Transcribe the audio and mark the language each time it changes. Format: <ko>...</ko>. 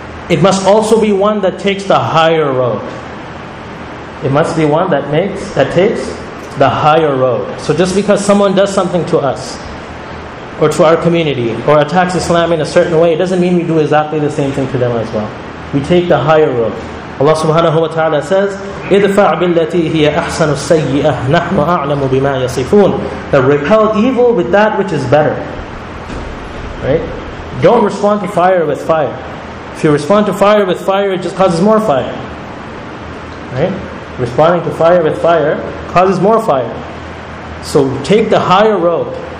<en>It must also be one that takes the higher road. It must be one that takes the higher road. So just because someone does something to us, or to our community, or attacks Islam in a certain way, it doesn't mean we do exactly the same thing to them as well. We take the higher road.</en> <ar>Allah subhanahu wa ta'ala says, اِدْفَعْ بِالَّتِي هِيَ أَحْسَنُ السَّيِّئَةِ نَحْنُ أَعْلَمُ بِمَا يَصِفُونَ.</ar> <en>That repel evil with that which is better. Right? Don't respond to fire with fire. If you respond to fire with fire, it just causes more fire. Right? Responding to fire with fire causes more fire. So take the higher road.</en>